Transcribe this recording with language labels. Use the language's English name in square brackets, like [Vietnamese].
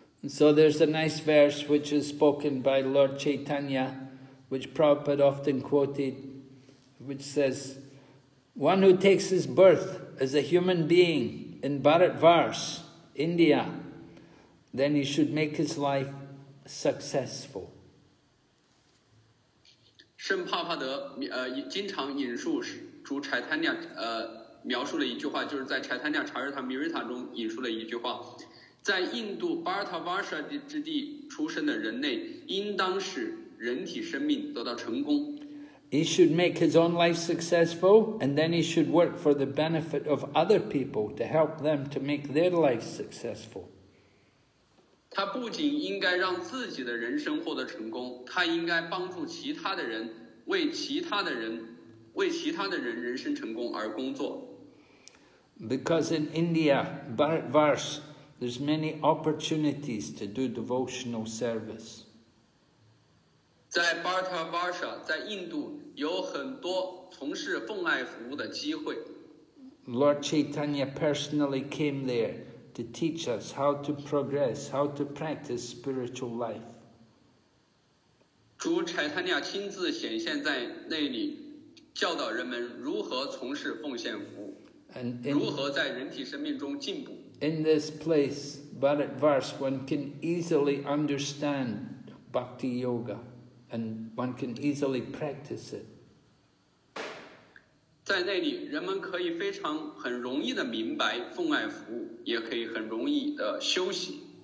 [English] So there's a nice verse which is spoken by Lord Chaitanya, which Prabhupada often quoted,which says, one who takes his birth as a human being in Bharat Varsh, India, then he should make his life successful. [Chinese] 圣帕帕德经常引述主柴坦尼亚描述了一句话，就是在柴坦尼亚查尔塔米瑞塔中引述了一句话，在印度巴尔塔瓦舍之地出生的人类应当使人体生命得到成功。 [English] He should make his own life successful, and then he should work for the benefit of other people to help them to make their life successful. [Chinese] 他不仅应该让自己的人生获得成功，他应该帮助其他的人，为其他的人人生成功而工作。 [English] Because in India, Bharat Varsh, there's many opportunities to do devotional service. [Chinese] 在 Bhartavarsha 在印度有很多从事奉爱服务的机会。 [English] Lord Chaitanya personally came there to teach us how to progress, how to practice spiritual life. [Chinese] 主 Chaitanya 亲自显现在那里，教导人们如何从事奉献服务。 [English] And in this place, Bharatvarsa, one can easily understand Bhakti Yoga, and one can easily practice it. [Chinese] 在那里，人们可以非常很容易的明白奉爱服务，也可以很容易的修习。